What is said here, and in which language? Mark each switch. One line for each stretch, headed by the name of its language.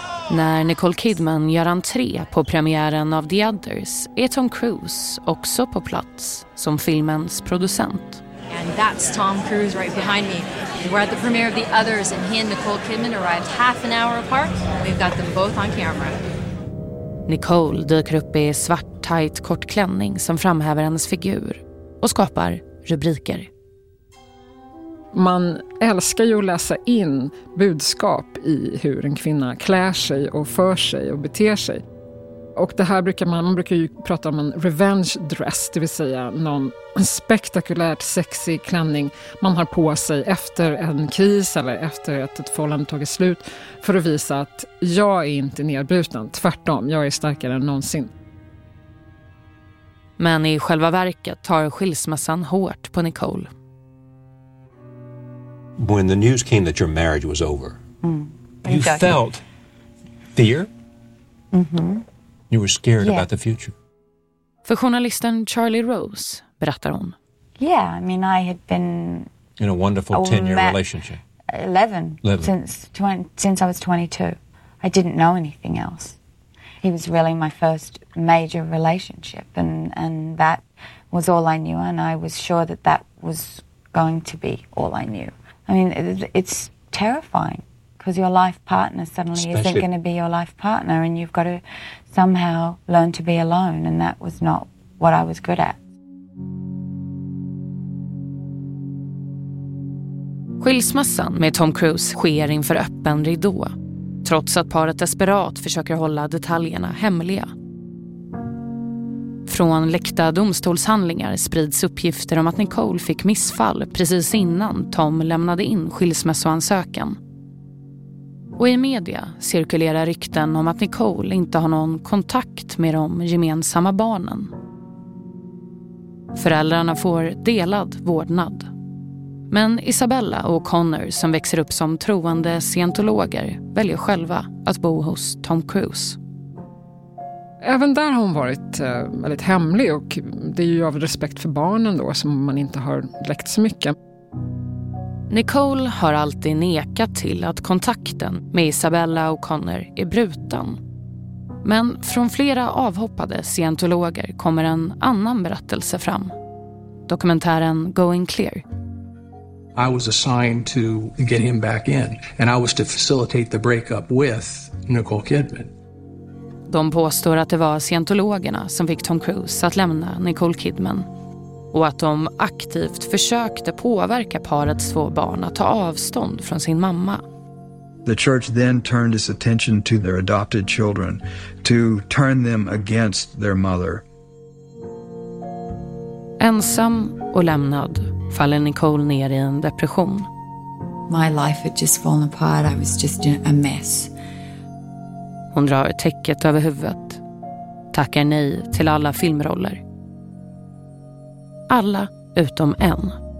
Swedish: När Nicole Kidman gör entré på premiären av The Others är Tom Cruise också på plats som filmens producent.
English: And that's Tom Cruise right behind me. We're at the premiere of The Others and he and Nicole Kidman arrived half an hour apart. We've got them both on camera.
Swedish: Nicole dyker upp i svart, tajt, kort klänning som framhäver hennes figur och skapar rubriker. man älskar ju att läsa in budskap i hur en kvinna klär sig och för sig och beter sig. Och det här brukar man brukar ju prata om en revenge dress, det vill säga någon spektakulärt sexy klänning man har på sig efter en kris eller efter att ett förhållande tagit slut för att visa att jag är inte nedbruten, tvärtom, jag är starkare än någonsin. Men i själva verket tar skilsmässan hårt på Nicole.
English: When the news came that your marriage was over, you felt fear? Mm-hmm. You were scared about the future.
Swedish: För journalisten Charlie Rose berättar hon.
English: Yeah, I mean I had been in a wonderful 10-year relationship. 11 since I was 22. I didn't know anything else. He was really my first major relationship and that was all I knew and I was sure that that was going to be all I knew. I mean, it's terrifying because your life partner suddenly isn't going to be your life partner and you've got to somehow learn to be alone and that was not what I was good at.
Swedish: Skilsmässan med Tom Cruise sker inför öppen ridå, trots att paret desperat försöker hålla detaljerna hemliga. Från läckta domstolshandlingar sprids uppgifter om att Nicole fick missfall precis innan Tom lämnade in skilsmässoansökan. Och i media cirkulerar rykten om att Nicole inte har någon kontakt med de gemensamma barnen. Föräldrarna får delad vårdnad. Men Isabella och Connor som växer upp som troende scientologer väljer själva att bo hos Tom Cruise. Även där har hon varit väldigt hemlig och det är ju av respekt för barnen då som man inte har läckt så mycket. Nicole har alltid nekat till att kontakten med Isabella och Connor är bruten. Men från flera avhoppade scientologer kommer en annan berättelse fram. Dokumentären Going Clear.
English: I was assigned to get him back in and I was to facilitate the breakup with Nicole Kidman.
Swedish: De påstår att det var scientologerna som fick Tom Cruise att lämna Nicole Kidman och att de aktivt försökte påverka parets två barn att ta avstånd från sin mamma.
English: The church then turned its attention to their adopted children to turn them against their mother.
Swedish: Ensam och lämnad faller Nicole ner i en depression.
English: My life had just fallen apart. I was just a mess.
Swedish: Hon drar täcket över huvudet. Tackar nej till alla filmroller. Alla utom en.